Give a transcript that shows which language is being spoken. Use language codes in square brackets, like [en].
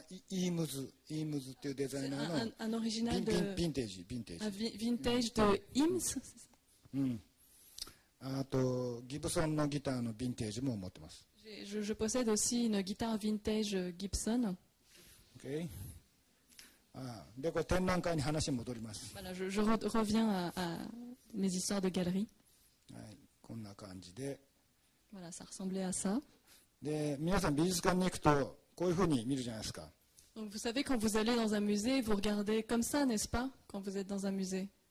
[ja] Eames っていう designer の [fr] un original de vintage. Vintage de Eames. [ja] あと Gibson のギターの vintage も持ってます。 [fr] Je possède aussi une guitare vintage Gibson. [en] OK. [ja] で、これ展覧会に話戻ります。 [fr] Voilà, je reviens à mes histoires de galerie. [ja] はい、こんな感じで。 [fr] Voilà, ça ressemblait à ça. [ja] で、皆さん美術館に行くとこういうふうに見るじゃないですか。 [fr] Donc vous savez quand vous allez dans un musée, vous regardez comme ça, n'est-ce pas, quand vous êtes dans un musée.